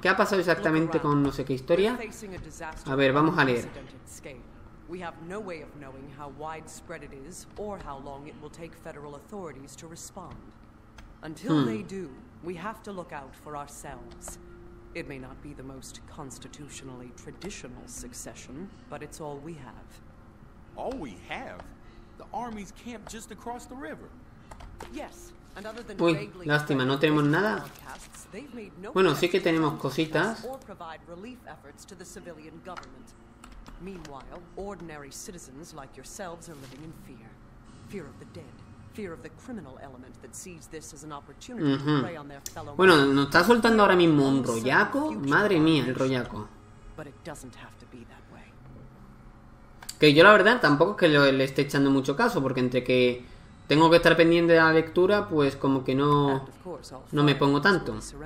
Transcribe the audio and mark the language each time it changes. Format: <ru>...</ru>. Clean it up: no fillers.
<es>¿Qué ha pasado exactamente con no sé qué historia? A ver, vamos a leer.</es> <en>We have no way of knowing how widespread it is or how long it will take federal authorities to respond. Until they do, we have to look out for ourselves. It may not be the most constitutionally traditional succession, but it's all we have. All we have? The army's camp just across the river. Yes, and other than</en> <es>lástima, no tenemos nada. Bueno, sí que tenemos cositas.</es> <en>Or provide relief efforts to the civilian government. Meanwhile, ordinary citizens like yourselves are living in fear. Fear of the dead. Fear of the criminal element that sees this as an opportunity to prey on their fellow.</en> <es>Bueno, nos está soltando ahora mismo un rollaco. Madre mía, el rollaco.</es> <en>But it doesn't have to be that way.</en> <es>Que yo la verdad tampoco es que le esté echando mucho caso, porque entre que tengo que estar pendiente de la lectura, pues como que no me pongo tanto.</es>